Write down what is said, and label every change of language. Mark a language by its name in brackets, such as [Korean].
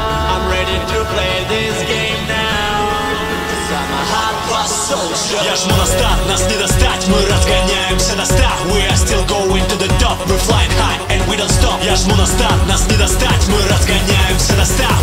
[English] I'm ready to play this game now. I'm a hot boss soldier. [Russian] Я жму на старт, нас не достать. Мы разгоняемся на страх. [English] We are still going to the top. We're flying high and we don't stop. [Russian] Я жму на старт, нас не достать. Мы разгоняемся на страх.